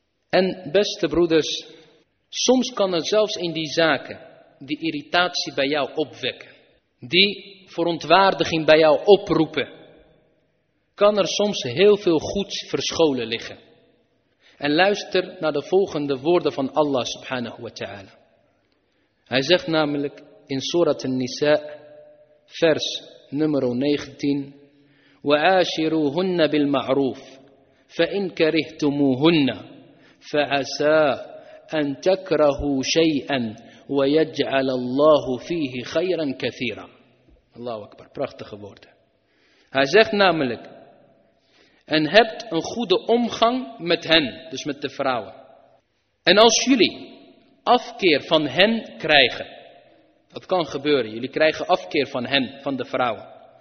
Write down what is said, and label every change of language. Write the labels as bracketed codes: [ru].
[nl] En beste broeders, soms kan er zelfs in die zaken die irritatie bij jou opwekken, die verontwaardiging bij jou oproepen, kan er soms heel veel goeds verscholen liggen. En luister naar de volgende woorden van Allah subhanahu wa ta'ala. Hij zegt namelijk in Surat An-Nisa, vers nummer 19, [ar] وَعَاشِرُوهُنَّ بِالْمَعْرُوفِ فَإِنْ كَرِهْتُمُوهُنَّ فَعَسَىٰ أَنْ تَكْرَهُوا شَيْئًا وَيَجْعَلَ اللَّهُ فِيهِ خَيْرًا كَثِيرًا. [nl] Allahu Akbar, prachtige woorden. Hij zegt namelijk, en hebt een goede omgang met hen, dus met de vrouwen. En als jullie afkeer van hen krijgen, dat kan gebeuren, jullie krijgen afkeer van hen, van de vrouwen.